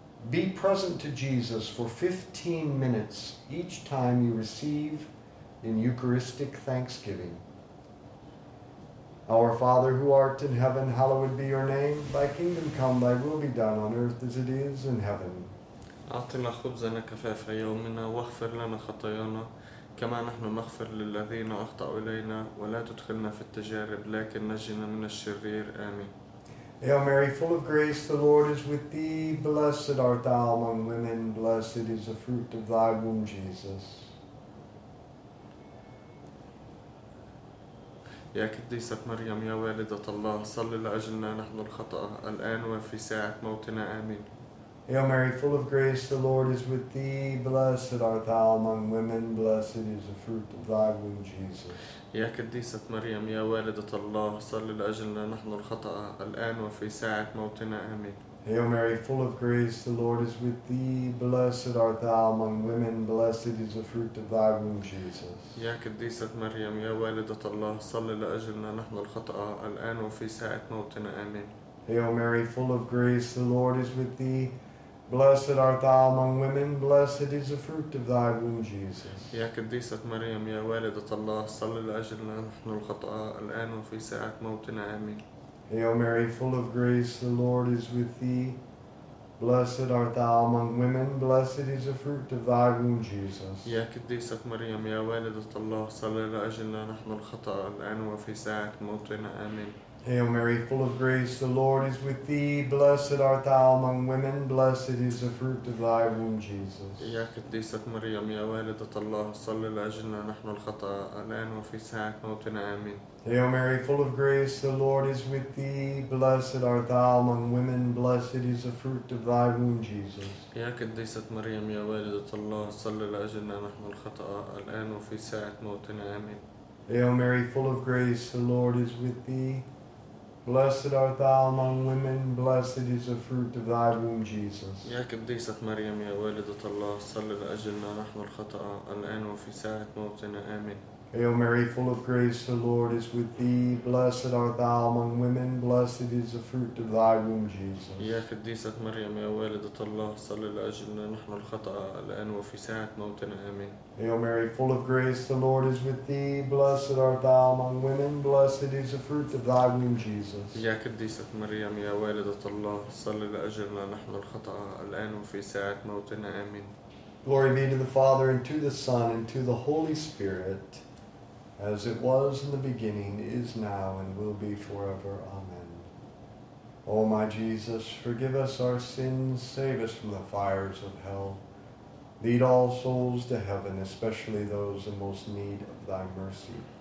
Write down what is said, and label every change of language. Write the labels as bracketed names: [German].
[English] Be present to Jesus for 15 minutes each time you receive in Eucharistic thanksgiving. Our Father who art in heaven, hallowed be your name. Thy kingdom come, thy will be done on earth as it is in heaven. [Arabic] أعطنا خبزنا كفاف يومنا واغفر لنا خطايانا كما نحن نغفر للذين أخطأوا إلينا ولا تدخلنا في التجارب لكن نجنا من الشرير. آمين. [English] Hail Mary, full of grace, the Lord is with thee. Blessed art thou among women. Blessed is the fruit of thy womb, Jesus. [Arabic] يا قديسة مريم يا والدة الله صلي لأجلنا نحن الخطأ الآن وفي ساعة موتنا آمين. [English] Hail Mary, full of grace, the Lord is with thee. Blessed art thou among women, blessed is the fruit of thy womb, Jesus. [Arabic] يا قديسة مريم يا والدة الله صلي لأجلنا نحن الخطأ الآن وفي ساعة موتنا آمين. [English] Hail Mary, full of grace, the Lord is with thee. Blessed art thou among women, blessed is the fruit of thy womb, Jesus. [Arabic] يا قديسة مريم يا والدة الله صلي لأجلنا نحن الخطأ الآن وفي ساعة موتنا آمين. [English] Hail Mary, full of grace, the Lord is with thee. Blessed art thou among women, blessed is the fruit of thy womb, Jesus. [Arabic] يا قديسة مريم يا والدة الله صلي لأجلنا نحن الخطأ الآن وفي ساعة موتنا آمين. [English] Hail Mary, full of grace, the Lord is with thee. Blessed art thou among women, blessed is the fruit of thy womb, Jesus. [Arabic] يا قديسة مريم يا والدة الله صلي لأجلنا نحن الخطأ الآن وفي ساعة موتنا آمين. [English] Hail Mary, full of grace, the Lord is with thee. Blessed art thou among women, blessed is the fruit of thy womb, Jesus. [Arabic] يا قديسة مريم يا والدة الله صلي لأجلنا نحن الخطأ الآن وفي ساعة موتنا آمين. [English] Hail Mary, full of grace, the Lord is with thee. Blessed art thou among women, blessed is the fruit of thy womb, Jesus. [Arabic] يا قديسة مريم يا والدة الله صلي لأجلنا نحن الخطأ الآن وفي ساعة موتنا آمين. [English] Hail Mary, full of grace, the Lord is with thee. Blessed art thou among women, blessed is the fruit of thy womb, Jesus. [Arabic] يا قديسة مريم يا والدة الله صلي لأجلنا نحن الخطأ الآن وفي ساعة موتنا آمين. [English] Hail Mary, full of grace, the Lord is with thee. Blessed art thou among women, blessed is the fruit of thy womb, Jesus. [Arabic] يا قديسة مريم يا والدة الله صلي لأجلنا نحن الخطأ الآن وفي ساعة موتنا آمين. [English] Hail Mary, full of grace, the Lord is with thee. Blessed art thou among women, blessed is the fruit of thy womb, Jesus. [Arabic] يا قديسة مريم يا والدة الله صلي لأجلنا نحن الخطأ الآن وفي ساعة موتنا آمين. [English] Glory be to the Father, and to the Son, and to the Holy Spirit. As it was in the beginning, is now, and will be forever. Amen. O my Jesus, forgive us our sins, save us from the fires of hell. Lead all souls to heaven, especially those in most need of thy mercy.